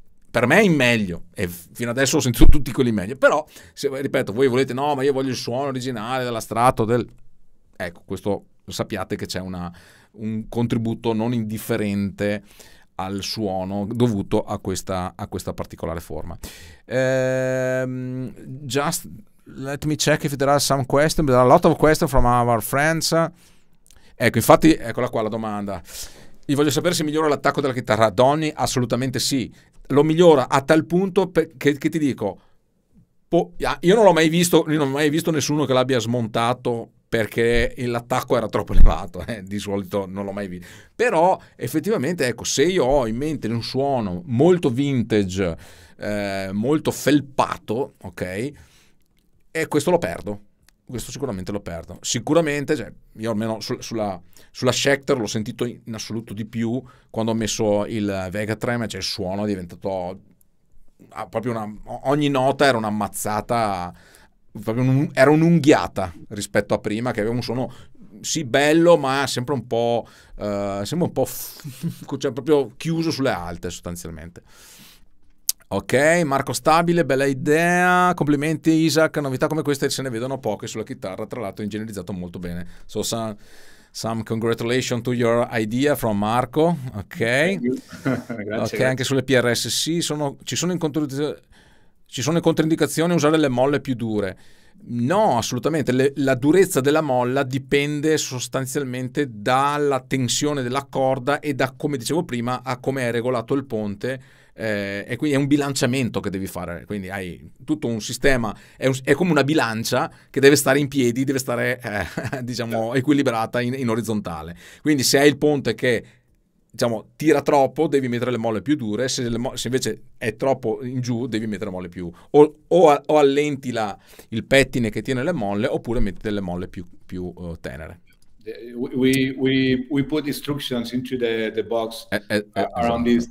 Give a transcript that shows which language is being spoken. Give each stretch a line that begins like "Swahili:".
Italian: Per me è in meglio, e fino adesso ho sentito tutti quelli meglio, però se, ripeto, voi volete, no, ma io voglio il suono originale della strato, ecco, questo. Sappiate che c'è un contributo non indifferente al suono dovuto a questa particolare forma.
English: Just let me check if there are some questions. There are a lot of questions from our friends.
Italian: Ecco, infatti, eccola qua la domanda. Io voglio sapere se migliora l'attacco della chitarra. Donny, assolutamente sì. Lo migliora a tal punto che ti dico, io non ho mai visto nessuno che l'abbia smontato. Perché l'attacco era troppo elevato, di solito non l'ho mai visto. Però effettivamente, ecco, se io ho in mente un suono molto vintage, molto felpato, ok, e questo lo perdo. questo sicuramente lo perdono. Sicuramente, cioè, io almeno sulla Schecter l'ho sentito in assoluto di più quando ho messo il Vegatrem, cioè il suono è diventato proprio una, ogni nota era un'ammazzata, era un'unghiata rispetto a prima, che aveva un suono sì bello, ma sempre un po' cioè proprio chiuso sulle alte sostanzialmente. Ok, Marco Stabile, bella idea, complimenti Isaac, novità come queste se ne vedono poche sulla chitarra, tra l'altro ingegnerizzato molto bene.
English: So some congratulations to your idea from Marco, ok.
Italian: Grazie. Ok, anche sulle PRS, sì, ci sono controindicazioni a usare le molle più dure. No, assolutamente, la durezza della molla dipende sostanzialmente dalla tensione della corda e da, come dicevo prima, a come è regolato il ponte. E quindi è un bilanciamento che devi fare, quindi hai tutto un sistema, è come una bilancia che deve stare in piedi, deve stare diciamo equilibrata in orizzontale. Quindi se hai il ponte che diciamo tira troppo, devi mettere le molle più dure, se invece è troppo in giù devi mettere molle più o allenti il pettine che tiene le molle, oppure metti delle molle più tenere.
English: We put instructions into the box around
Italian: esatto.